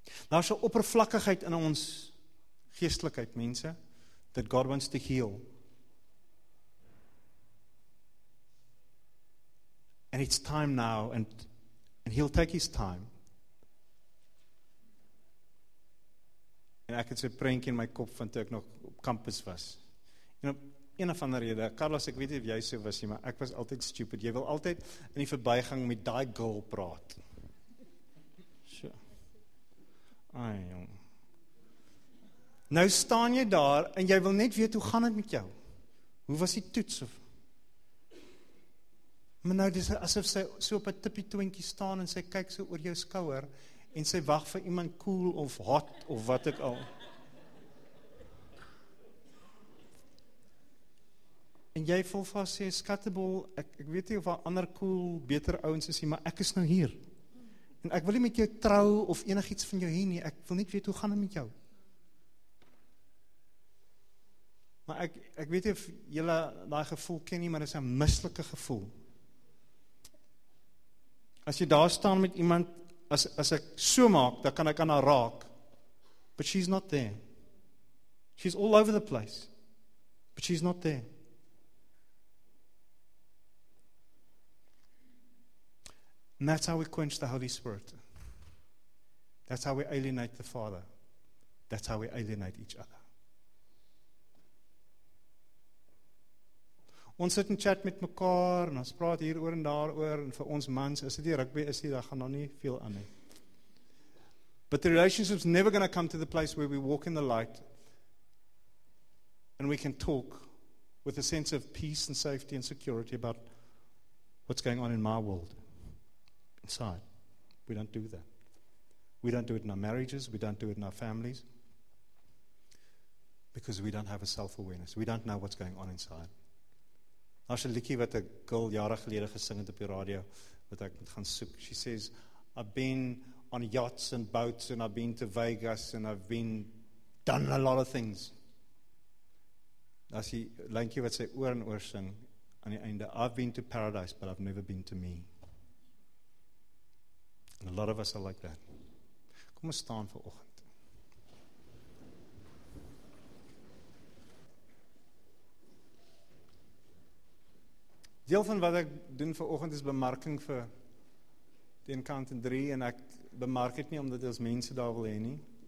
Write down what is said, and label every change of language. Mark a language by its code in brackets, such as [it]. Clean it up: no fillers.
[af] Daar is 'n oppervlakkigheid in ons geestelikheid, mense, [en] that God wants to heal. And it's time now, and He'll take His time. [af] En ek het so 'n prentjie in my kop van toe ek nog op kampus was. En op een of ander rede, Carlos, ek weet nie of jy so was nie, maar ek was altyd stupid. Jy wil altyd in die verbygang met die girl praat. So. Ai, jong. Nou staan jy daar, en jy wil net weet, hoe gaan het met jou? Hoe was die toets of? Maar nou, dis asof sy so op 'n tippie twinkie staan en sy kyk so oor jou skouer en sy wag vir iemand cool of hot of wat ek al. En jy voel vas sê, skattebol, ek weet nie of daar ander cool, beter ouens is nie, maar ek is nou hier. En ek wil nie met jou trou of enigiets van jou hê nie, ek wil net weet hoe gaan dit met jou. Maar ek weet nie of julle daai gevoel ken nie, maar dis 'n mislike gevoel. As jy daar staan met iemand, as ek so maak, dan kan ek aan haar raak. [en] But she's not there. She's all over the place. But she's not there. And that's how we quench the Holy Spirit. That's how we alienate the Father. That's how we alienate each other. [af] Ons sit en chat met mekaar, en ons praat hier oor en daar oor, en vir ons mans, as dit die rugby is, daar gaan nou nie veel aan nie. [en] But the relationship's never going to come to the place where we walk in the light, and we can talk with a sense of peace and safety and security about what's going on in my world. Inside. We don't do that. We don't do it in our marriages, we don't do it in our families, because we don't have a self-awareness. We don't know what's going on inside. [af] Daar's 'n liedjie wat 'n girl jare gelede gesing het op die radio, wat ek moet gaan soek. [en] She says, I've been on yachts and boats, and I've been to Vegas, and I've been done a lot of things. [af] Daar's 'n liedjie wat sy oor en oor sing, aan die einde, [en] I've been to paradise, but I've never been to me. And a lot of us are like that. [af] Kom ons staan vir oggend. Deel van wat ek doen vir oggend is bemarking vir die Encounter 3 en ek bemark het nie omdat ons mense daar wil hê nie.